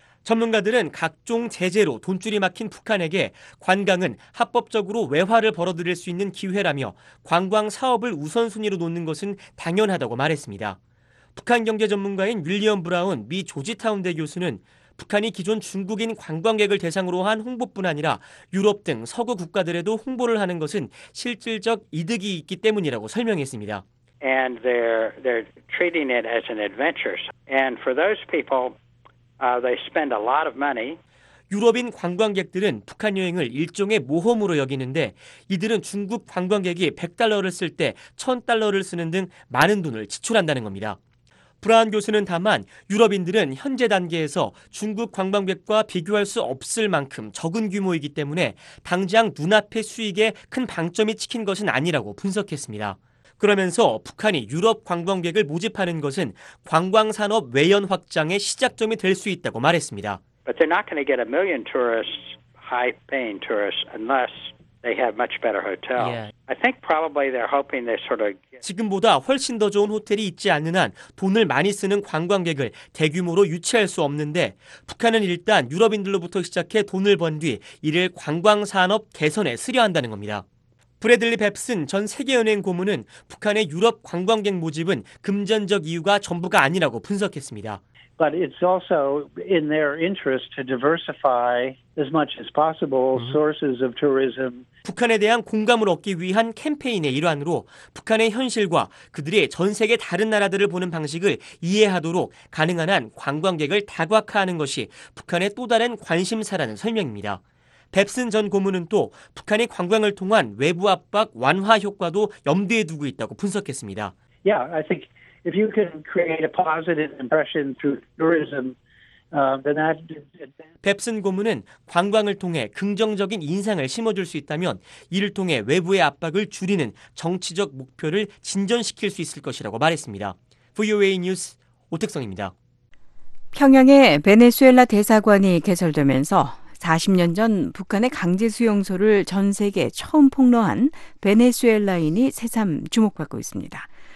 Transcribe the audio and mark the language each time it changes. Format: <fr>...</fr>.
<ko>전문가들은 각종 제재로 돈줄이 막힌 북한에게 관광은 합법적으로 외화를 벌어들일 수 있는 기회라며 관광 사업을 우선순위로 놓는 것은 당연하다고 말했습니다. 북한 경제 전문가인 윌리엄 브라운 미 조지타운대 교수는 북한이 기존 중국인 관광객을 대상으로 한 홍보뿐 아니라 유럽 등 서구 국가들에도 홍보를 하는 것은 실질적 이득이 있기 때문이라고 설명했습니다.</ko> <en>And they're treating it as an adventure. And for those people, they spend a lot of money.</en> <ko>유럽인 관광객들은 북한 여행을 일종의 모험으로 여기는데 이들은 중국 관광객이 $100를 쓸 때 $1,000를 쓰는 등 많은 돈을 지출한다는 겁니다. 브라운 교수는 다만 유럽인들은 현재 단계에서 중국 관광객과 비교할 수 없을 만큼 적은 규모이기 때문에 당장 눈앞의 수익에 큰 방점이 찍힌 것은 아니라고 분석했습니다. 그러면서 북한이 유럽 관광객을 모집하는 것은 관광산업 외연 확장의 시작점이 될 수 있다고 말했습니다.</ko> <en>But they're not going to get a million tourists, high-paying tourists, unless they have much better hotels. Yeah. I think probably they're hoping they sort of</en> <ko>지금보다 훨씬 더 좋은 호텔이 있지 않는 한 돈을 많이 쓰는 관광객을 대규모로 유치할 수 없는데 북한은 일단 유럽인들로부터 시작해 돈을 번 뒤 이를 관광산업 개선에 쓰려 한다는 겁니다. 브래들리 뱁슨 전 세계은행 고문은 북한의 유럽 관광객 모집은 금전적 이유가 전부가 아니라고 분석했습니다.</ko> <en>But it's also in their interest to diversify as much as possible sources of tourism.</en> <ko>북한에 대한 공감을 얻기 위한 캠페인의 일환으로 북한의 현실과 그들이 전 세계 다른 나라들을 보는 방식을 이해하도록 가능한 한 관광객을 다각화하는 것이 북한의 또 다른 관심사라는 설명입니다. 뱁슨 전 고문은 또 북한이 관광을 통한 외부 압박 완화 효과도 염두에 두고 있다고 분석했습니다.</ko> <en>Yeah, I think if you can create a positive impression through tourism, then that.</en> <ko>뱁슨 고문은 관광을 통해 긍정적인 인상을 심어줄 수 있다면 이를 통해 외부의 압박을 줄이는 정치적 목표를 진전시킬 수 있을 것이라고 말했습니다. VOA 뉴스 오택성입니다. 평양에 베네수엘라 대사관이 개설되면서 40년 전 북한의 강제 수용소를 전 세계에 처음 폭로한 베네수엘라인이 새삼 주목받고 있습니다.</ko>